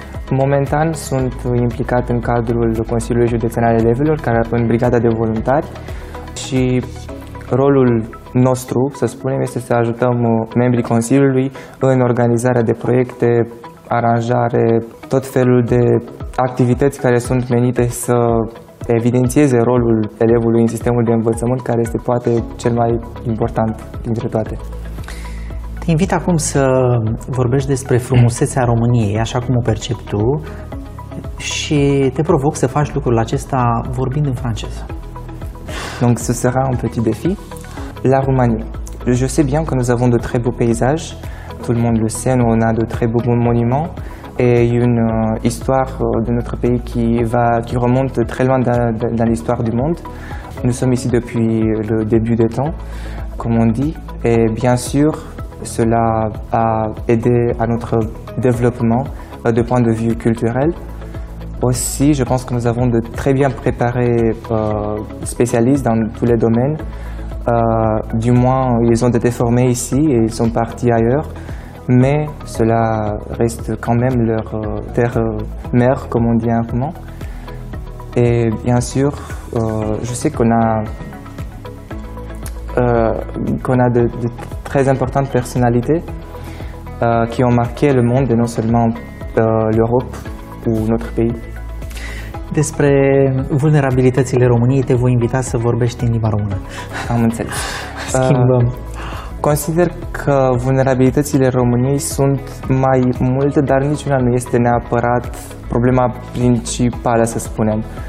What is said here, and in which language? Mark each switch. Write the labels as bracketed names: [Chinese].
[Romanian] Momentan sunt implicat în cadrul Consiliului Județean al Elevilor, care în brigada de voluntari și rolul nostru, să spunem, este să ajutăm membrii Consiliului în organizarea de proiecte, aranjare, tot felul de activități care sunt menite să evidențieze rolul elevului în sistemul de învățământ, care este poate cel mai important dintre toate. Te invit acum să vorbești despre frumusețea României, așa cum o percep tu, și te provoc să faci lucrul acesta vorbind în franceză. [French] Donc, ce sera un petit défi? La Roumanie. Je sais bien que nous avons de très beaux paysages, tout le monde le sait, nous on a de très beaux monuments et une histoire de notre pays qui remonte très loin dans l'histoire du monde. Nous sommes ici depuis le début des temps. comme on dit. Et bien sûr, cela a aidé à notre développement de point de vue culturel. Aussi, je pense que nous avons de très bien préparés spécialistes dans tous les domaines. Du moins, ils ont été formés ici et ils sont partis ailleurs. Mais cela reste quand même leur terre mère, comme on dit en roman. Et bien sûr, je sais qu'on a de très importantes personnalités qui ont marqué le monde et non seulement l'Europe ou notre pays. [Romanian] Despre vulnerabilitățile României te voi invita să vorbești în limba română. Am înțeles. Schimbăm. Consider că vulnerabilitățile României sunt mai multe, dar niciuna nu este neapărat problema principală, să spunem.